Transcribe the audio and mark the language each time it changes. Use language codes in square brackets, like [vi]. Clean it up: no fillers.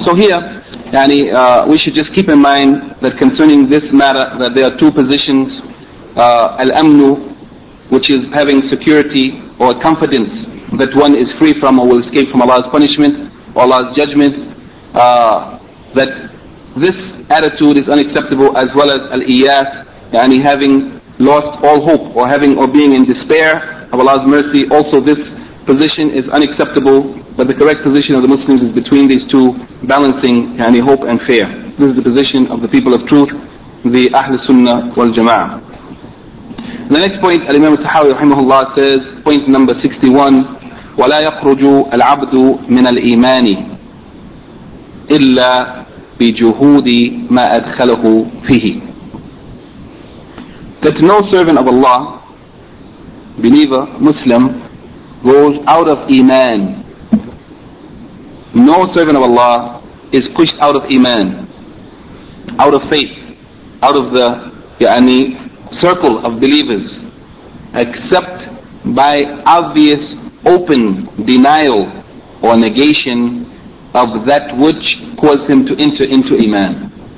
[en] So here, yani, we should just keep in mind that concerning this matter, that there are two positions, al-amnu, which is having security or confidence that one is free from or will escape from Allah's punishment or Allah's judgment, that this attitude is unacceptable, as well as al-iyas, yani having lost all hope or having or being in despair of Allah's mercy. Also this position is unacceptable, but the correct position of the Muslims is between these two, balancing yani hope and fear. This is the position of the people of truth, the Ahl Sunnah wal Jama'ah. The next point, Al-Imam al-Tahawi rahimahullah says, point number 61, [ar] وَلَا يَخْرُجُ الْعَبْدُ مِنَ الْإِيمَانِ إِلَّا بِجُهُودِ مَا أَدْخَلَهُ فِيهِ. [en] That no servant of Allah, believer, Muslim, goes out of Iman. No servant of Allah is pushed out of Iman, out of faith, out of the يعني, circle of believers, except by obvious open denial or negation of that which caused him to enter into Iman.